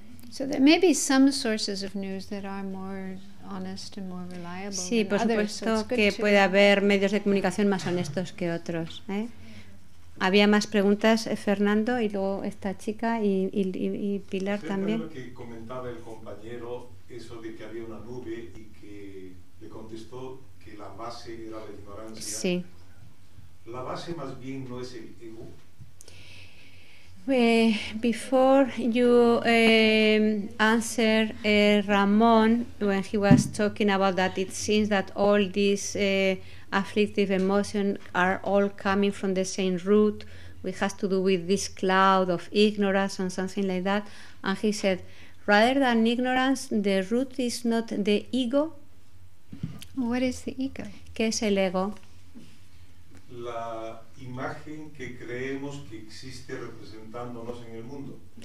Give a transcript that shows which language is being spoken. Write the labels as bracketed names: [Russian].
[English] So there may be some sources of news that are more honest and more reliable. [Spanish] Sí, por supuesto [English] others, so [Spanish] que puede haber medios de comunicación más honestos que otros. Había más preguntas, Fernando, y luego esta chica y Pilar sí, también. Lo que comentaba el compañero, eso de que había una nube y que le contestó que la base era la ignorancia. Sí. ¿La base más bien no es el ego? [English] Before you answer Ramón, when he was talking about that, it seems that all these afflictive emotions are all coming from the same root, which has to do with this cloud of ignorance and something like that. And he said, rather than ignorance, the root is not the ego. What is the ego? [Spanish] ¿Qué es el ego? La imagen que creemos que existe representándonos en el mundo.